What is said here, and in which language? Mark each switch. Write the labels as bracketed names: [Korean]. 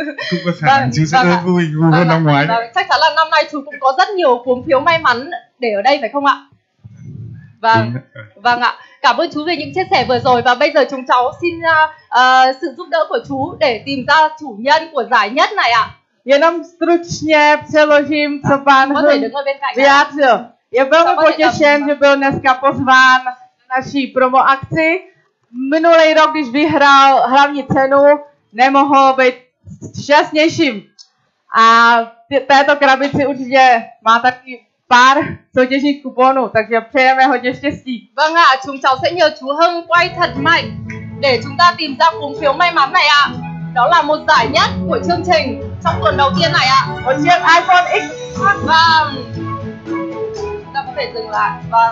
[Vietnamese] Cũng có khả năng chú sẽ rất vui hơn vâng năm ngoái. Vâng, chắc chắn là năm nay chú cũng có rất nhiều cuốn phiếu may mắn để ở đây phải không ạ? Vâng ạ, cảm ơn chú về những chia sẻ vừa rồi. Và bây giờ chúng cháu xin sự giúp đỡ của chú để tìm ra chủ nhân của giải nhất này ạ. [Czech] Jenom stručně přeložím, co pan vyjádřil. Je velmi potěšen, že byl dneska pozván naší promo akci. Minulý rok, když vyhrál hlavní cenu, nemohl být šťastnějším. A této krabici určitě má taky pár soutěžních kuponů, takže přejeme hodně štěstí. [Vietnamese] Vâng ạ, chúng cháu sẽ nhờ chú Hưng quay thật mạnh để chúng ta tìm ra cuốn phiếu may mắn này ạ. Đó là một giải nhất của chương trình trong tuần đầu tiên này ạ. Một chiếc iPhone X. Vâng. Ta có thể dừng lại.